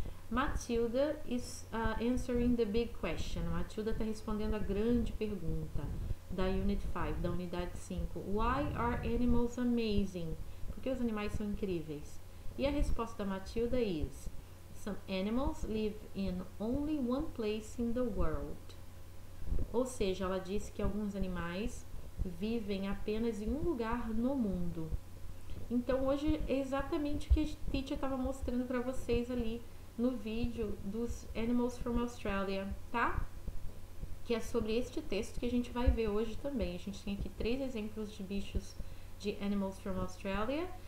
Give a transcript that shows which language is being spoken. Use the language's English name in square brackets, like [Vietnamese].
[English] Matilda is answering the big question. [Portuguese] Matilda está respondendo a grande pergunta da Unit 5, da Unidade 5. [English] Why are animals amazing? [Portuguese] Por que os animais são incríveis? E a resposta da Matilda [English] is Some animals live in only one place in the world. [Portuguese] Ou seja, ela disse que alguns animais vivem apenas em um lugar no mundo. Então, hoje é exatamente o que a Titi estava mostrando para vocês ali no vídeo dos [English] Animals from Australia, [Portuguese] tá? Que é sobre este texto que a gente vai ver hoje também. A gente tem aqui três exemplos de bichos de [English] Animals from Australia.